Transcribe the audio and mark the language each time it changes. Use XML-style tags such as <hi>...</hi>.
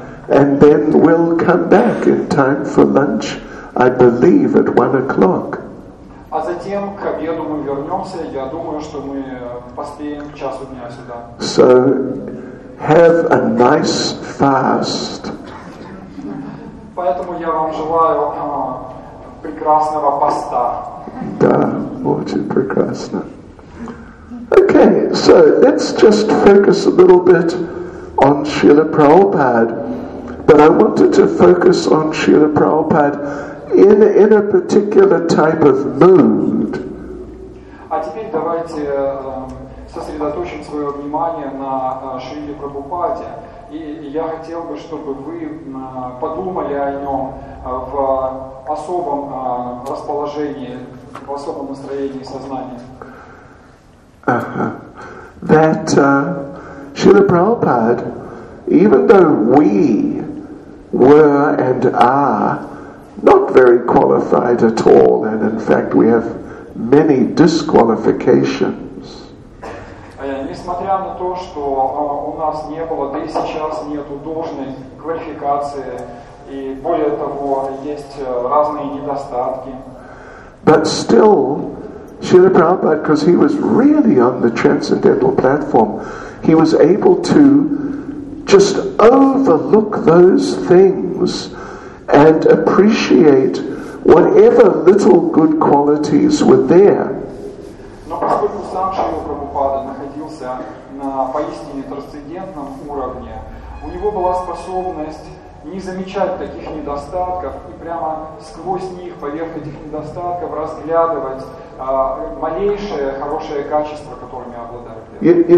<en>And then we'll come back in time for lunch, I believe, at 1 o'clock.</en> <ru>А затем к обеду мы вернемся. Я думаю, что мы поспеем к часу дня сюда.</ru> <en>So, have a nice fast.</en> <ru>Поэтому я вам желаю прекрасного поста. Да, очень прекрасно.</ru> <en>Okay, so let's just focus a little bit on Srila Prabhupada. But I wanted to focus on Srila Prabhupada in a particular type of mood.</en> <ru>А теперь давайте сосредоточим свое внимание на Шриле Прабхупаде. И я хотел бы, чтобы вы подумали о нем в особом расположении, в особом настроении сознания.</ru> <en>That Srila Prabhupada, even though we were and are not very qualified at all, and in fact we have many disqualifications.</en> <ru>Несмотря на то, что у нас не было, да и сейчас нету должной квалификации, и более того, есть разные недостатки.</ru> <en>But still, Srila Prabhupada, because he was really on the transcendental platform, he was able to just overlook those things and appreciate whatever little good qualities were there.</en> <ru>Но поскольку сам Шрила Прабхупада находился на поистине трансцендентном уровне, у него была способность не замечать таких недостатков и прямо сквозь них, поверх этих недостатков, разглядывать малейшее хорошее качество, которыми обладают.</ru>